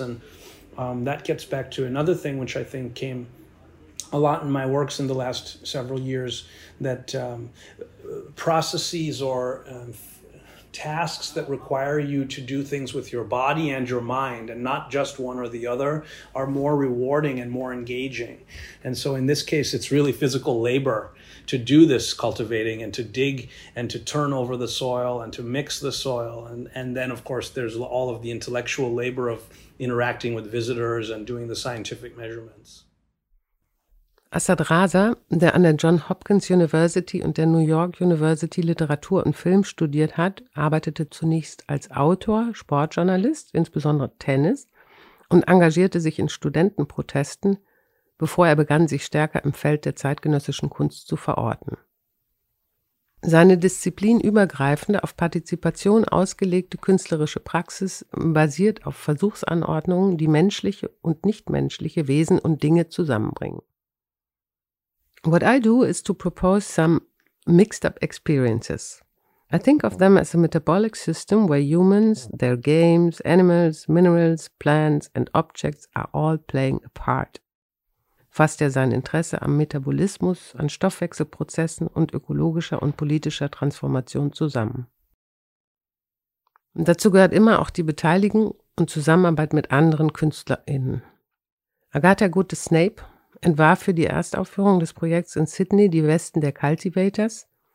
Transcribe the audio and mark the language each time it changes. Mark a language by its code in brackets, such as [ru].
[en] And that gets back to another thing, which I think came a lot in my works in the last several years, that processes or tasks that require you to do things with your body and your mind and not just one or the other are more rewarding and more engaging. And so in this case, it's really physical labor to do this cultivating and to dig and to turn over the soil and to mix the soil. And then, of course, there's all of the intellectual labor of interacting with visitors and doing the scientific measurements. [de] Assad Raza, der an der Johns Hopkins University und der New York University Literatur und Film studiert hat, arbeitete zunächst als Autor, Sportjournalist, insbesondere Tennis, und engagierte sich in Studentenprotesten, bevor er begann, sich stärker im Feld der zeitgenössischen Kunst zu verorten. Seine disziplinübergreifende, auf Partizipation ausgelegte künstlerische Praxis basiert auf Versuchsanordnungen, die menschliche und nichtmenschliche Wesen und Dinge zusammenbringen. [en] What I do is to propose some mixed-up experiences. I think of them as a metabolic system where humans, their games, animals, minerals, plants and objects are all playing a part. [de] Fasst er sein Interesse am Metabolismus, an Stoffwechselprozessen und ökologischer und politischer Transformation zusammen. Dazu gehört immer auch die Beteiligung und Zusammenarbeit mit anderen KünstlerInnen. Agatha Goodes-Snape entwarf für die Erstaufführung des Projekts in Sydney die Westen der Cultivators.